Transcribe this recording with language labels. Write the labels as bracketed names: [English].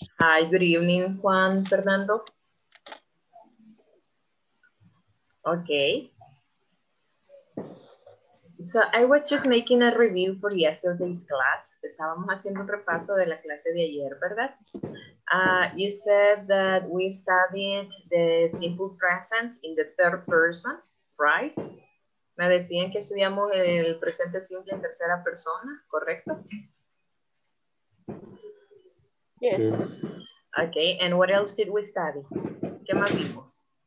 [English] Hi, good evening, Juan Fernando. Okay, so I was just making a review for yesterday's class. [Spanish] Estábamos haciendo un repaso de la clase de ayer, ¿verdad? [English] You said that we studied the simple present in the third person, right? [Spanish] Me decían que estudiamos el presente simple en tercera persona, ¿correcto? [English] Yes. Okay, and what else did we study? [Spanish] ¿Qué más vimos?